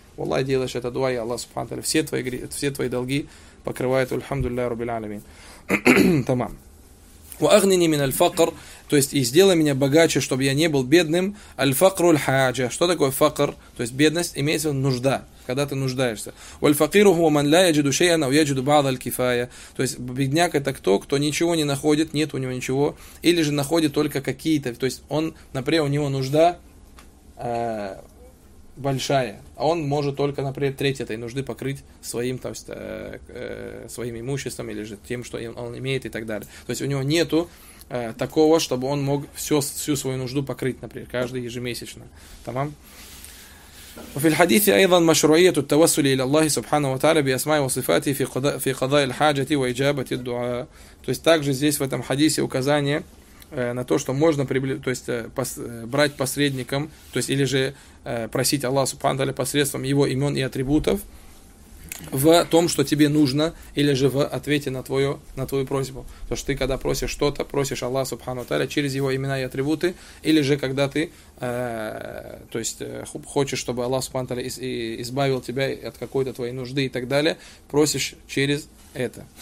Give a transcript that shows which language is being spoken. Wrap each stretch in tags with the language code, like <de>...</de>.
<ru>Аллах, делаешь это дуа, и Аллах Субхана, все твои долги покрывает, альхамдулилля, рубиль алямин. Тамам.</ru> <ar>وأغنني من الفقر,</ar> <ru>то есть и сделай меня богаче, чтобы я не был бедным.</ru> <ar>الفقر الحاجة.</ar> <ru>Что такое فقر? То есть бедность, имеется в виду нужда, когда ты нуждаешься.</ru> <ar>والفقير هو من لا يجد شيئا أو يجد بعض الكفاية.</ar> <ru>То есть бедняк это кто? Кто ничего не находит, нет у него ничего, или же находит только какие-то, то есть он, например, у него нужда большая, а он может только, например, треть этой нужды покрыть своим, то есть, своим имуществом или же тем, что он имеет и так далее. То есть у него нету такого, чтобы он мог всю свою нужду покрыть, например, каждый ежемесячно. Тамам?</ru> <ar>وفي الحديث أيضا مشروعية التوسل إلى الله سبحانه وتعالى بأسماء وصفاته في قضاء الحاجة وإجابة الدعاء.</ar> <ru>То есть также здесь в этом хадисе указание на то, что можно то есть, брать посредником, то есть, или же просить Аллаха Субхану Тааля посредством его имен и атрибутов в том, что тебе нужно, или же в ответе на твою просьбу. То есть ты, когда просишь что-то, просишь Аллаха Субхану Тааля через его имена и атрибуты, или же когда ты то есть, хочешь, чтобы Аллах Субхану Тааля избавил тебя от какой-то твоей нужды и так далее, просишь через это.</ru>